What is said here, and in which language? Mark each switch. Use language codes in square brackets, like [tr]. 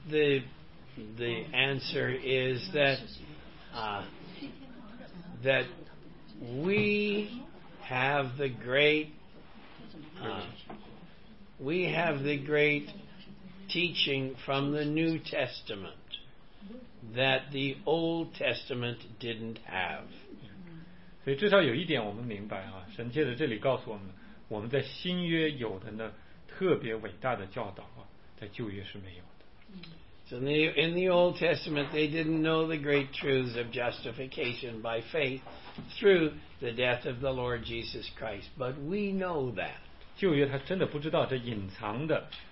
[en] In part, the answer is that we have the great teaching from the New Testament that the Old Testament didn't have. [zh] 所以至少有一点我们明白，神借着这里告诉我们，我们在新约有的那特别伟大的教导，在旧约是没有的。 [en] So in the Old Testament, they didn't know the great truths of justification by faith through the death of the Lord Jesus Christ. But we know that. [zh] 旧约他真的不知道这隐藏的。